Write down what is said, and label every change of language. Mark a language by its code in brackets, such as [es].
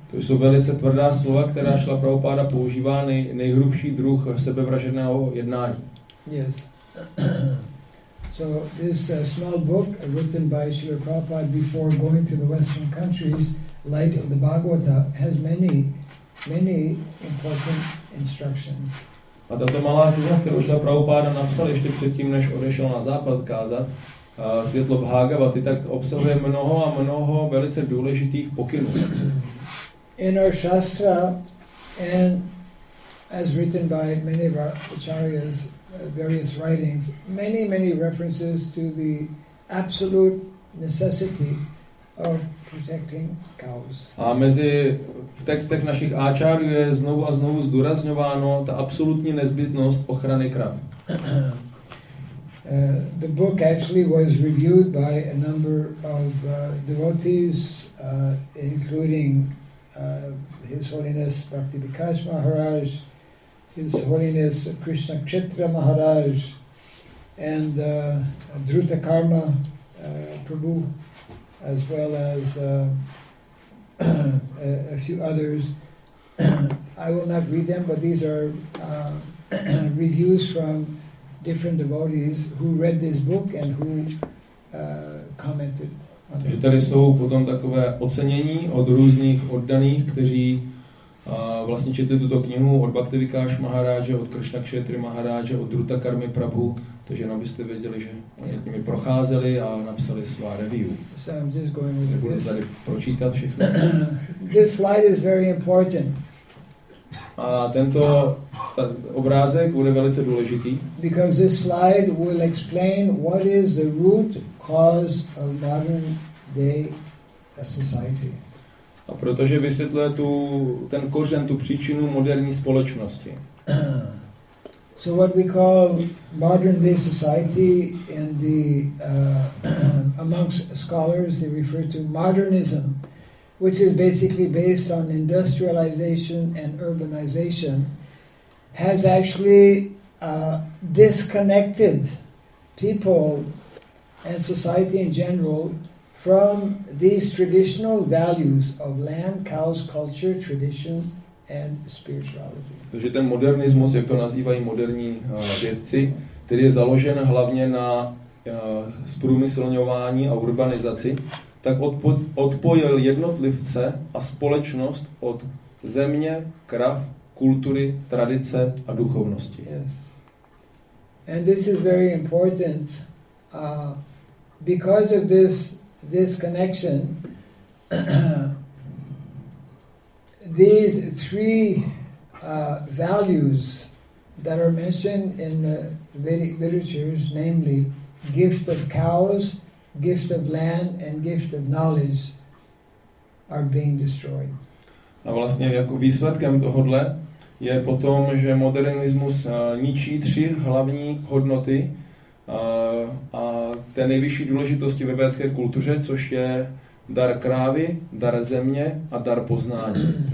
[cs] To jsou velice tvrdá slova, která Srila Prabhupada používá, nejhrubší druh sebevražedného jednání. [en] Yes. So this small book written by Srila Prabhupada before going to the Western countries, Light of the Bhagavata, has many, many important instructions. [cs] A tato malá kniha, kterou Srila Prabhupada napsal ještě předtím, než odešel na západ kázat, Světlo Bhagavaty, tak obsahuje mnoho a mnoho velice důležitých pokynů. [en] In our shastra, and as written by many of our acharyas, various writings, many, many references to the absolute necessity of protecting cows. [cs] A mezi v textech našich áčárů je znovu a znovu zdůrazňováno ta absolutní nezbytnost ochrany krav. [en] The book actually was reviewed by a number of devotees, including His Holiness Bhakti Bikash Maharaj, His Holiness Krishna Kshetra Maharaj, and Dhruta Karma Prabhu, as well as a few others. I will not read them, but these are reviews from different devotees who read this book and who commented on it. [cs] Takže tady jsou potom takové ocenění od různých oddaných, kteří vlastně četli tuto knihu, od Bhakti Vikáš Maharáže, od Krishna Kshetry Maharáže, od Dhruta Karmy Prabhu, takže abyste věděli, že oni nimi procházeli a napsali svá review. [en] So I'm just going with [cs] nebudu [en] this. [cs] Tady pročítat všechno. [en] This slide is very important. [cs] A tento obrázek bude velice důležitý. [en] Because this slide will explain what is the root cause of modern day society. [cs] A protože vysvětluje ten kořen, tu příčinu moderní společnosti. [en] So what we call modern day society in the amongst scholars, they refer to modernism, which is basically based on industrialization and urbanization, has actually disconnected people and society in general from these traditional values of land, cows, culture, tradition, and spirituality. [cs] Takže ten modernismus, jak to nazývají moderní vědci, který je založen hlavně na zprůmyslňování a urbanizaci, tak odpojil jednotlivce a společnost od země, krav, kultury, tradice a duchovnosti. [en] Yes. And this is very important because of this connection. These three values that are mentioned in the Vedic literatures, namely gift of cows, gift of land and gift of knowledge, are being destroyed. [cs] A vlastně jako výsledkem tohodle je potom, že modernismus ničí tři hlavní hodnoty a té nejvyšší důležitosti ve vědecké kultuře, což je dar krávy, dar země a dar poznání.